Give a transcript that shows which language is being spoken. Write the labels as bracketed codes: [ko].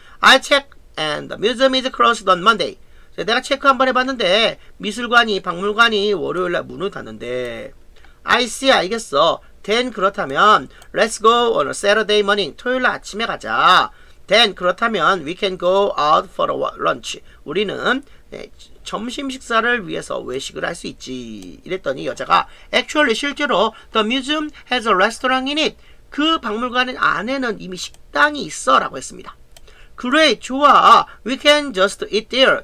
[en] I check and the museum is closed on Monday. [ko] 자, 내가 체크 한번 해봤는데 미술관이 박물관이 월요일날 문을 닫는데 [en] I see. [ko] 알겠어. [en] Then [ko] 그렇다면 [en] Let's go on a Saturday morning. [ko] 토요일 아침에 가자. [en] Then [ko] 그렇다면 [en] We can go out for a lunch. [ko] 우리는 네, 점심 식사를 위해서 외식을 할 수 있지. 이랬더니 여자가 [en] Actually [ko] 실제로 [en] The museum has a restaurant in it. [ko] 그 박물관 안에는 이미 식당이 있어 라고 했습니다. [en] Great [ko] 좋아. [en] We can just eat there.